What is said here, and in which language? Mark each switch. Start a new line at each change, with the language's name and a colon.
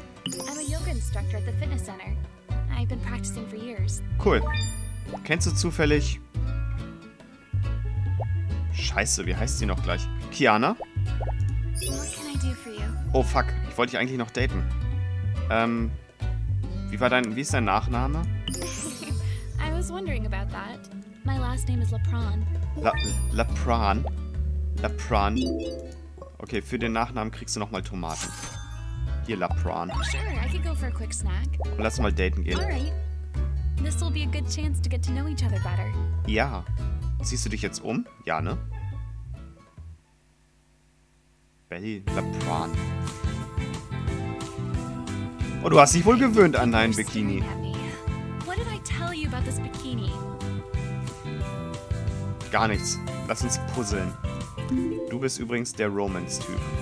English: I'm a yoga instructor at the fitness center. I've been practicing for years.
German: Cool. Kennst du zufällig? Scheiße, wie heißt sie noch gleich? Kiana?
English: What can I do for you? Oh fuck,
German: ich wollte dich eigentlich noch daten. Wie ist dein Nachname?
English: I was wondering about that. My last name is Lapran.
German: Lapran? Lapran? Okay, für den Nachnamen kriegst du nochmal Tomaten. Hier, Lapran.
English: Sure, I could go for a quick snack.
German: Und lass mal daten gehen.
English: Alright. This will be a good chance to get to know each other better.
German: Ja. Siehst du dich jetzt um? Ja, ne? Belly, Lapran. Oh, du hast dich wohl gewöhnt an deinen Bikini.
English: What did I tell you about this bikini?
German: Gar nichts. Lass uns puzzeln. Du bist übrigens der Romance-Typ.